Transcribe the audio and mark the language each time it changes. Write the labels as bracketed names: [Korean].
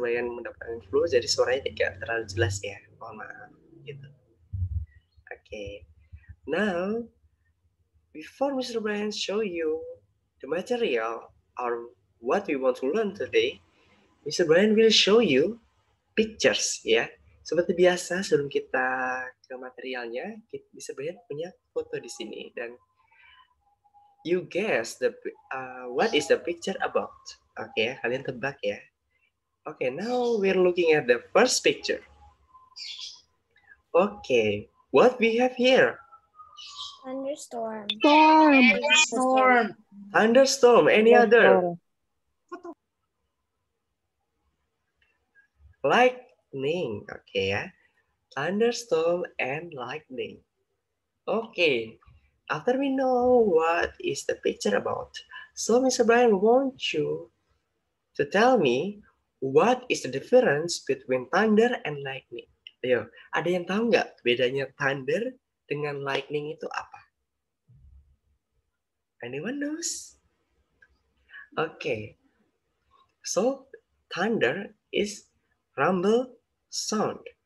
[Indonesian] Brian mendapatkan flu, jadi suaranya tidak terlalu jelas ya. Mohon maaf. Gitu. Okay. [English] Now, before Mr. Brian show you the material, our what we want to learn today, Mr. Brian will show you pictures, ya. [Indonesian] Seperti biasa, sebelum kita ke materialnya, Mr. Brian punya foto di sini. [English] Dan you guess the what is the picture about? Oke, okay, [Indonesian] kalian tebak ya. [English] Oke, okay, now we're looking at the first picture. Okay, what we have here? Thunderstorm. Storm. Storm. Thunderstorm. Any other? Lightning. Okay, ya. Thunderstorm and lightning. Okay. After we know what is the picture about, so Mr. Brian, won't you to tell me what is the difference between thunder and lightning? [Indonesian] Ayo, ada yang tahu nggak bedanya thunder dengan lightning itu apa? [English] Anyone knows? Okay. So, thunder is rumble sound.